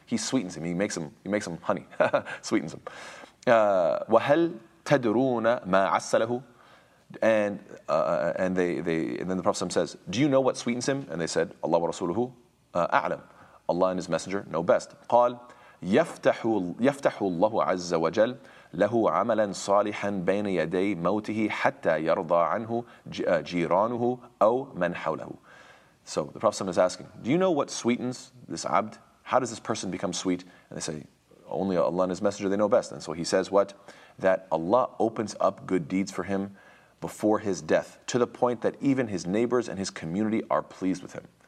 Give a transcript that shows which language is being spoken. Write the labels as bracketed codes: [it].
[en] He sweetens him. He makes him honey. Sweetens him. [ar] وَهَلْ تَدْرُونَ مَا عَسَّلَهُ. [en] And then the Prophet says, do you know what sweetens him? And they said, [ar] Allah wa Rasuluhu a'lam. [en] Allah and His Messenger know best. [ar] قال يفتح الله عز وجل له عملا صالحا بين يدي موته حتى يرضى عنه جيرانه أو من حوله. [en] So the Prophet is asking, do you know what sweetens this abd? How does this person become sweet? And they say, only Allah and His Messenger they know best. And so he says what? That Allah opens up good deeds for him before his death, to the point that even his neighbors and his community are pleased with him.